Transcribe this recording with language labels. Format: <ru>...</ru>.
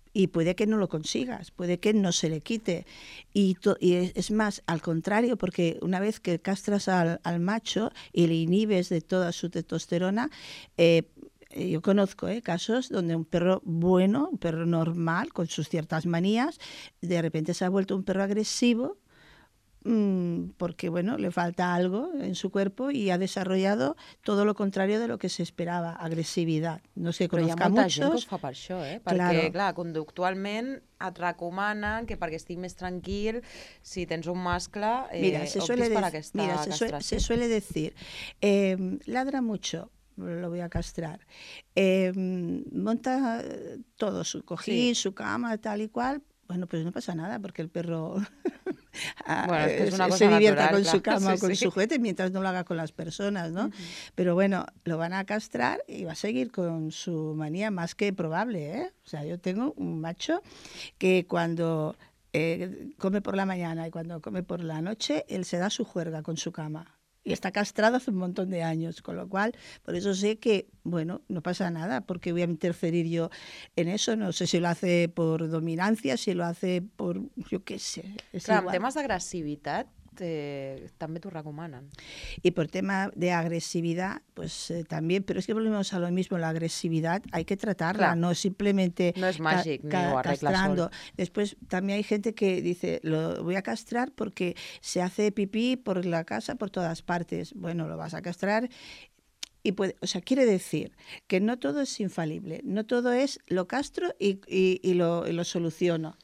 <es>Y puede que no lo consigas, puede que no se le quite. Y es más, al contrario, porque una vez que castras al macho y le inhibes de toda su testosterona, yo conozco casos donde un perro bueno, un perro normal, con sus ciertas manías, de repente se ha vuelto un perro agresivo porque bueno, le falta algo en su cuerpo y ha desarrollado todo lo contrario de lo que se esperaba, agresividad. No sé, conozca muchos.</es> <ca>Però hi ha molta gent que ho fa per això, perquè, clar, conductualment et recomanen que perquè estic més tranquil, si tens un mascle, castració.</ca> <es>Se suele decir, ladra mucho, lo voy a castrar. Monta todo, su cojín, sí, su cama, tal y cual. Bueno, pues no pasa nada, porque el perro se divierta natural, con claro, su cama o con su juguete, mientras no lo haga con las personas, ¿no? Uh-huh. Pero bueno, lo van a castrar y va a seguir con su manía, más que probable, ¿eh? O sea, yo tengo un macho que cuando come por la mañana y cuando come por la noche, él se da su juerga con su cama. Y está castrado hace un montón de años, con lo cual, por eso sé que, bueno, no pasa nada, porque voy a interferir yo en eso. No sé si lo hace por dominancia, si lo hace por, yo qué sé.</es> <ca>Clar, igual. Temes d'agressivitat, també t'ho recomanen. I per tema d'agressivitat, pues, també, però és que</ca> <es>volvemos a lo mismo,</es> <ca>l'agressivitat</ca> <es>hay que tratarla, claro. No simplemente...</es> <ca>No es màgic, ni ho arregla sol.</ca> <es>Después también hay gente que dice, lo voy a castrar porque se hace pipí por la casa, por todas partes. Bueno, lo vas a castrar. Y puede, o sea, quiere decir que no todo es infalible, no todo es lo castro y lo soluciono.</es>